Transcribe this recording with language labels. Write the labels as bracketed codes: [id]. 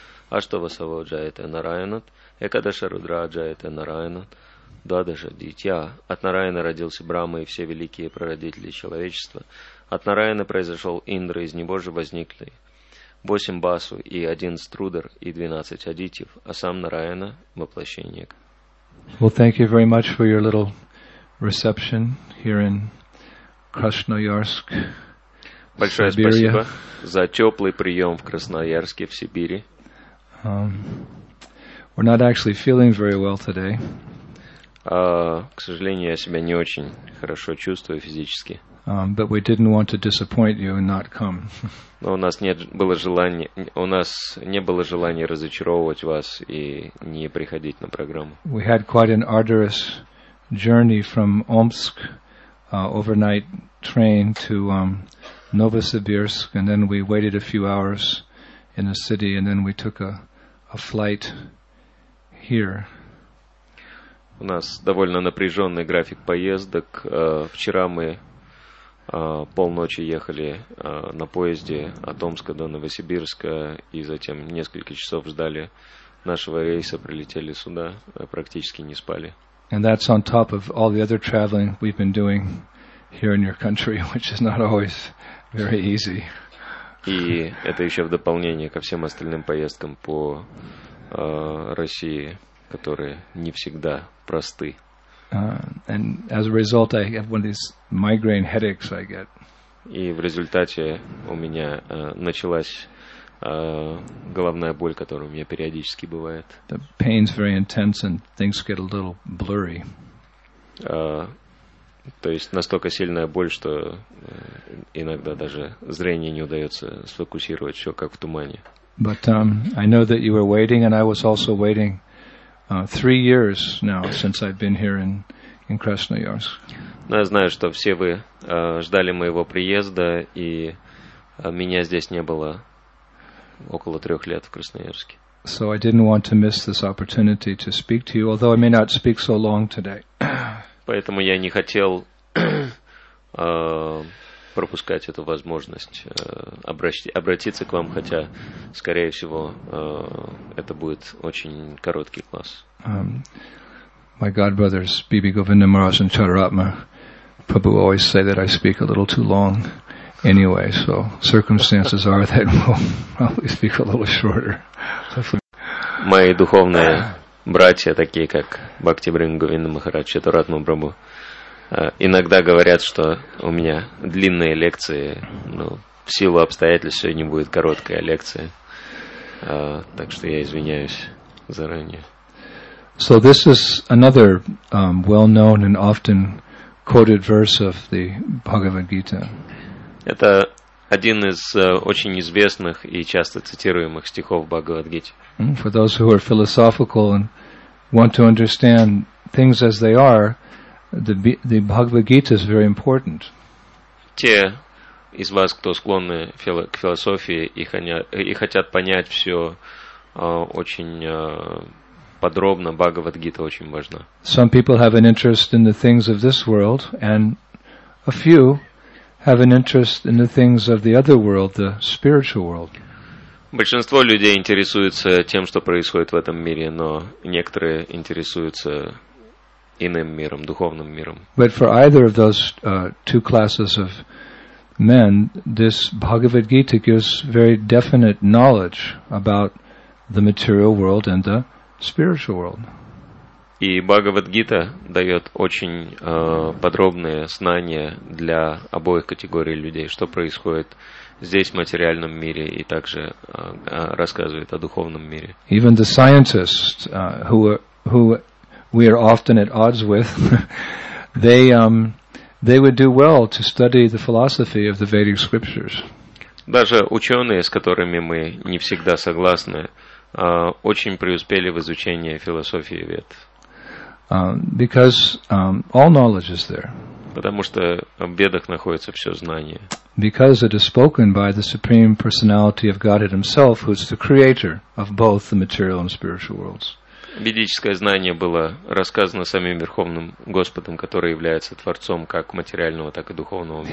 [sa] Аштавасава джаяте нараянат, Экадаша Рудра джаяте нараянат, Двадаша дитя. [ru] От Нараяна родился Брама и все великие прародители человечества. От Нараяна произошел Индра, из него же возникли 8 басу и 11 рудр и 12 адитив, а сам Нараяна воплощение. [en] Well, thank you very much for your little reception here in Krasnoyarsk. [ru] Большое спасибо за теплый прием в Красноярске, в Сибири. [en] We're not actually feeling very well today. [ru] К сожалению, я себя не очень хорошо чувствую физически. [en] But we didn't want to disappoint you and not come. [ru] Но у нас не было желания разочаровывать вас и не приходить на программу. [en] We had quite an arduous journey from Omsk, overnight train to Novosibirsk, and then we waited a few hours in a city, and then we took a flight here. [ru] У нас довольно напряженный график поездок. Вчера мы полночи ехали на поезде от Омска до Новосибирска и затем несколько часов ждали нашего рейса, прилетели сюда, практически не спали. [en] And that's on top of all the other traveling we've been doing here in your country, which is not always very easy. [ru] И это еще в дополнение ко всем остальным поездкам по России, которые не всегда просты. [en] And as a result, I have one of these migraine headaches I get. [ru] И в результате у меня началась головная боль, которая у меня периодически бывает. [en] The pain's very intense and things get a little blurry. [ru] То есть настолько сильная боль, что иногда даже зрение не удается сфокусировать, все как в тумане. [en] But I know that you were waiting, and I was also waiting 3 years now since I've been here in Krasnoyarsk. [ru] Но я знаю, что все вы ждали моего приезда, и меня здесь не было около 3 лет в Красноярске. [en] So I didn't want to miss this opportunity to speak to you, although I may not speak so long today. [ru] Поэтому я не хотел пропускать эту возможность обратиться к вам, хотя, скорее всего, это будет очень короткий класс. [en] My godbrothers, Bibi Govinda Maharaj and Chaturatma, Prabhu always say that I speak a little too long anyway, so circumstances are that we'll probably speak a little shorter. [ru] Мои духовные братья, такие как Бхакти Брингавинда Махарадж, Чатуратма Прабху, иногда говорят, что у меня длинные лекции, но в силу обстоятельств сегодня будет короткая лекция. Так что я извиняюсь заранее. [en] So this is another well-known and often quoted verse of the Bhagavad Gita. [ru] Это один из очень известных и часто цитируемых стихов Бхагавад-гиты. [en] For those who are philosophical and want to understand things as they are, the Bhagavad Gita is very important. [ru] Те из вас, кто склонны к философии и хотят понять все очень подробно, Бхагавад-гита очень важна. [en] Some people have an interest in the things of this world, and a few have an interest in the things of the other world, the spiritual world. [ru] Большинство людей интересуются тем, что происходит в этом мире, но некоторые интересуются иным миром, духовным миром. [en] But for either of those two classes of men, this Bhagavad Gita gives very definite knowledge about the material world and the spiritual world. [ru] И Бхагавад Гита дает очень подробные знания для обоих категорий людей, что происходит здесь, в материальном мире, и также рассказывает о духовном мире. [en] Even the scientists, who we are often at odds with, they would do well to study the philosophy of the Vedic scriptures. [ru] Даже ученые, с которыми мы не всегда согласны, очень преуспели в изучении философии Вед. [en] Because all knowledge is there. [ru] Потому что в Ведах находится все знание. [en] Because it is spoken by the Supreme Personality of Godhead Himself, who is the creator of both the material and spiritual worlds. [ru] Ведическое знание было рассказано самим Верховным Господом, который является Творцом как материального, так и духовного мира.